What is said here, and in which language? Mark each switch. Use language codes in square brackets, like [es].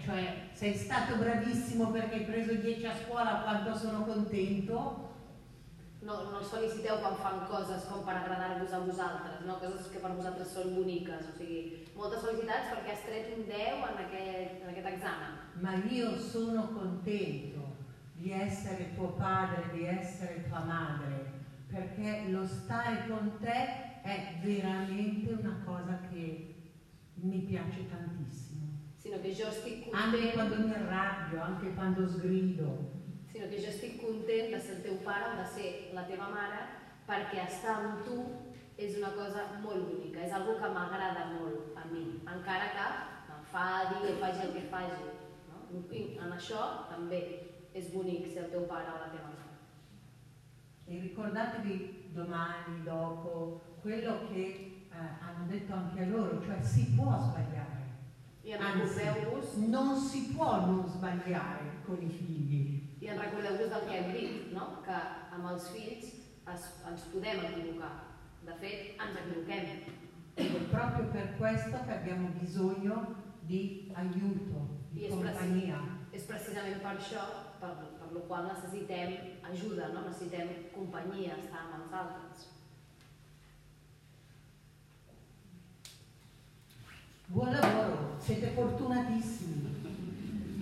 [it] Cioè, sei stato bravissimo perché hai preso 10 a scuola, quanto sono contento. [ca] No, non soliciteu quan fan coses com per agradar-vos a vosaltres, no? Coses que per vosaltres són boniques. O sigui, moltes felicitats perquè has tret un 10 en aquest examen. [it] Ma io sono contento di essere tuo padre, di essere tua madre, perché lo stare con te è veramente una cosa che mi piace tantissimo. [ca] Sino che io stic contento. [it] Anche quando mi arrabbio, anche quando sgrido. [ca] Sinó que jo estic content de ser el teu pare o de ser la teva mare perquè estar amb tu és una cosa molt bonica, és algo que m'agrada molt a mi, encara que m'enfadi o faci el que faci. No? I en això també és bonic ser el teu pare o la teva mare. [it] E ricordatevi domani, dopo, quello che hanno detto anche a loro, cioè si può sbagliare. [ca] I recordeu-vos... [it] Non si può non sbagliare con i figli. [ca] I en recordeu-vos del que hem dit, no? Que amb els fills ens podem equivocar. De fet, ens equivoquem. [it] Proprio per questo que abbiamo bisogno di aiuto, di compagnia. [ca] És precisament per això per lo qual necessitem ajuda, no? Necessitem companyia, estar amb els altres. [it] Buon lavoro, siete fortunatissimi.